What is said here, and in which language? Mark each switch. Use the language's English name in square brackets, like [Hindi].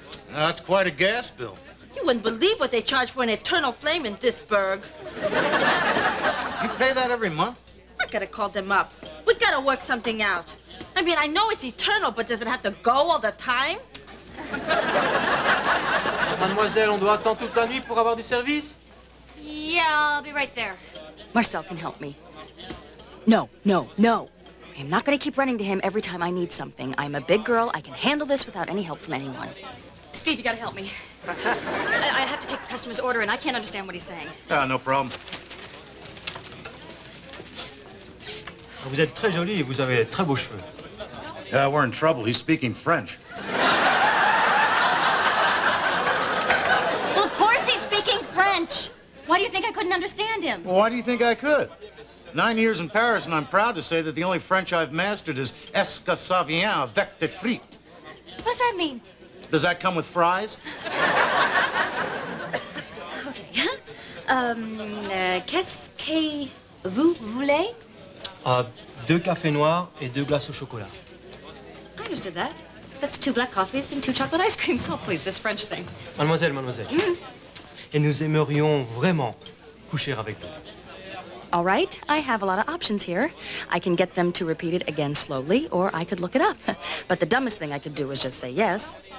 [English] That's quite a gas bill. You wouldn't believe what they charge for an eternal flame in this burg. You pay that every month? I gotta call them up. We gotta work something out. I mean, I know it's eternal, but does it have to go all the time? [French] Mademoiselle, on doit attendre toute la nuit pour avoir du service? [English] Yeah, I'll be right there. Marcel can help me. No, no, no. I'm not going to keep running to him every time I need something. I'm a big girl. I can handle this without any help from anyone. Steve, you got to help me. I have to take the customer's order, and I can't understand what he's saying. Ah, no problem. [French] Vous êtes très jolie et vous avez très beaux cheveux. [English] Yeah, we're in trouble. He's speaking French. Well, of course he's speaking French. Why do you think I couldn't understand him? Well, why do you think I could? 9 years in Paris, and I'm proud to say that the only French I've mastered is [French] Esca Savien avec des frites. [English] What does that mean? Does that come with fries? Okay. [French] Qu'est-ce que vous voulez? Deux cafés noirs et deux glaces au chocolat. [English] I understood that. That's two black coffees and two chocolate ice creams. Oh, please, this French thing. [French] Mademoiselle, mademoiselle. Mm. Et nous aimerions vraiment coucher avec vous. [English] All right, I have a lot of options here. I can get them to repeat it again slowly, or I could look it up. But the dumbest thing I could do is just say yes.